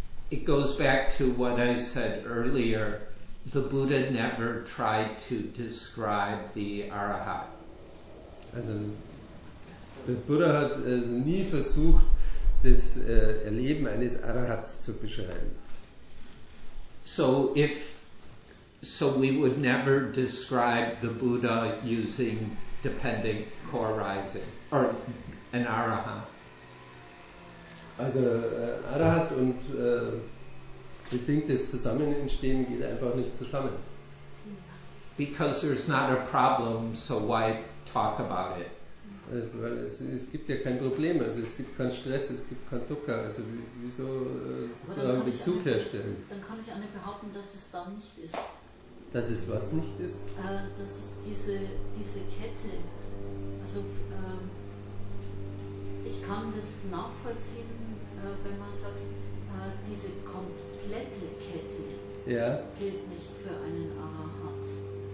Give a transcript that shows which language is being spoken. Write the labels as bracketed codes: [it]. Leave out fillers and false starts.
[en] It goes back to what I said earlier. The Buddha never tried to describe the Arahat. [de] Also, der Buddha hat also nie versucht, das Erleben eines Arahats zu beschreiben. [en] So we would never describe the Buddha using dependent core rising, or an Arahat. [de] Also, Arahat und... bedingtes Zusammenentstehen geht einfach nicht zusammen. [en] Because there's not a problem, so why talk about it? [de] Also, weil es gibt ja kein Problem, also es gibt keinen Stress, es gibt keinen Dukkha, also wieso so einen Bezug herstellen? Dann kann ich auch nicht behaupten, dass es da nicht ist. Dass es was nicht ist? Das ist diese Kette. Also ich kann das nachvollziehen, wenn man sagt, diese komplette Kette gilt nicht für einen Arahant.